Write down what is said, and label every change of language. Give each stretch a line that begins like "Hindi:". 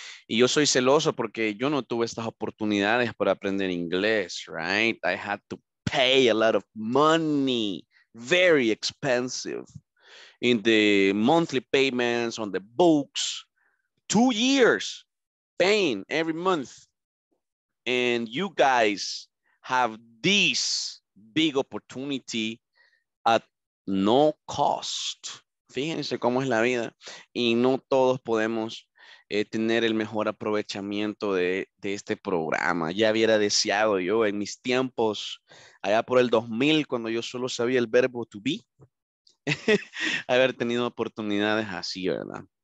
Spanish: Y yo soy celoso porque yo no tuve estas oportunidades para aprender inglés, right?
English: I had to pay a lot of money. Very expensive in the monthly payments on the books, 2 years paying every month, and you guys have this big opportunity at no cost.
Spanish: Fíjense cómo es la vida, y no todos podemos tener el mejor aprovechamiento de este programa. Ya hubiera deseado yo en mis tiempos, allá por el 2000, cuando yo solo sabía el verbo to be, haber tenido oportunidades así, ¿verdad?